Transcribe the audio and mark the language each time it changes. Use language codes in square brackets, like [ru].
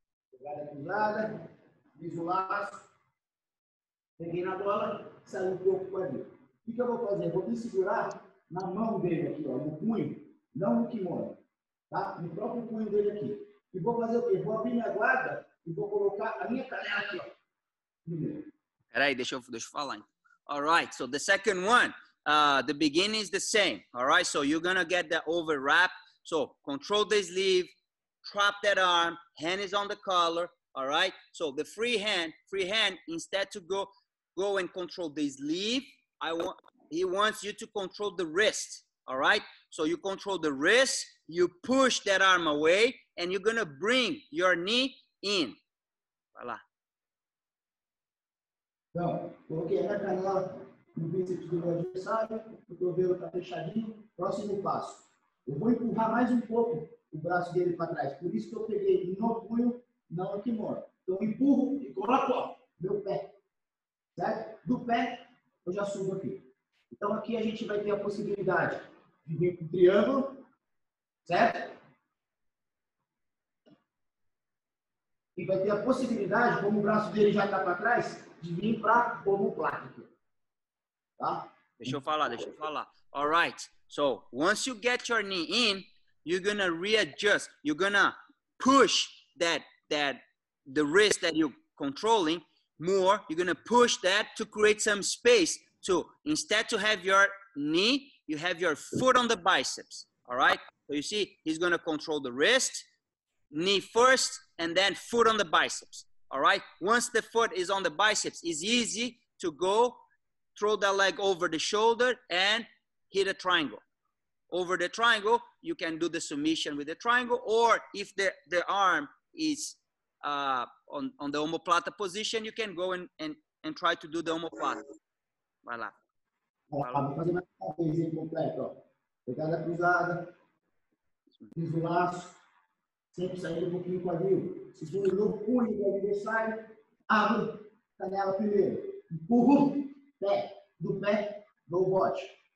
[pt] Pegada cruzada, fiz o laço, peguei na bola, saiu um pouco com a dele. O que eu vou fazer? Vou me segurar na mão dele aqui, ó, no punho, não no kimono, tá? No próprio punho dele aqui. E vou fazer o quê? Vou abrir minha guarda e vou colocar a minha canela aqui, ó. Peraí, deixa eu falar. [en] All right, so the second one, the beginning is the same. All right, so you're gonna get the over wrap. So control the sleeve. Trap that arm, hand is on the collar, all right? So the free hand, instead to go and control the sleeve, he wants you to control the wrist, all right? So you control the wrist, you push that arm away, and you're gonna bring your knee in. [fr] Voilà. [pt] Então, coloquei a canela no bíceps do adversário, o cotovelo tá fechadinho, próximo passo. Eu vou empurrar mais um pouco o braço dele para trás. Por isso que eu peguei no punho, não aqui mora. Então, eu empurro e coloco, ó, meu pé. Certo? Do pé, eu já subo aqui. Então, aqui a gente vai ter a possibilidade de vir com o triângulo. Certo? E vai ter a possibilidade, como o braço dele já está para trás, de vir para o omoplático. Tá? Deixa eu falar. [en] All right. So, once you get your knee in, you're gonna readjust. You're gonna push that the wrist that you're controlling more. You're gonna push that to create some space. So instead to have your knee, you have your foot on the biceps. All right. So you see, he's gonna control the wrist, knee first, and then foot on the biceps. All right. Once the foot is on the biceps, it's easy to go throw that leg over the shoulder and hit a triangle. Over the triangle, you can do the submission with the triangle, or if the arm is on the omoplata position, you can go and try to do the omoplata. [pt] Vai lá. Vou fazer mais uma vez aí completo, ó. Pegada cruzada, fiz o laço, sempre saindo um pouquinho o quadril. Segura no punho do adversário, abro, canela primeiro. Empurro, pé, do pé, no bote.